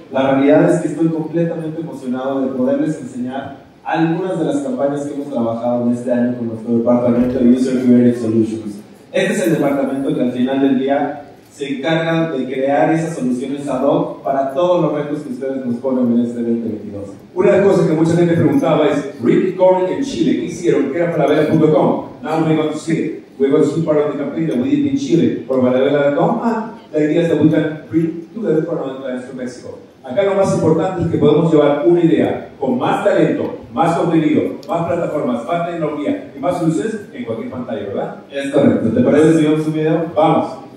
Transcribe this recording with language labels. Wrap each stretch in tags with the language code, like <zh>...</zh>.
<es>La realidad es que estoy completamente emocionado de poderles enseñar algunas de las campañas que hemos trabajado en este año con nuestro departamento de User Created Solutions. Este es el departamento que al final del día se encarga de crear esas soluciones ad hoc para todos los retos que ustedes nos ponen en este 2022. Una de las cosas que mucha gente preguntaba es, Rick Corn en Chile, ¿qué hicieron? ¿Qué era Falabella.com?</es> <en>Now we're going to see it. We're going to see part of the campaign that we did in Chile</en> <es>por Falabella.com. Ah, la idea es</es> <en>that we can bring together for our clients to Mexico.</en> <es>Acá lo más importante es que podemos llevar una idea con más talento, más contenido, más plataformas, más tecnología y más soluciones en cualquier pantalla, ¿verdad? Es correcto. ¿Te parece si vemos un video? ¡Vamos!</es>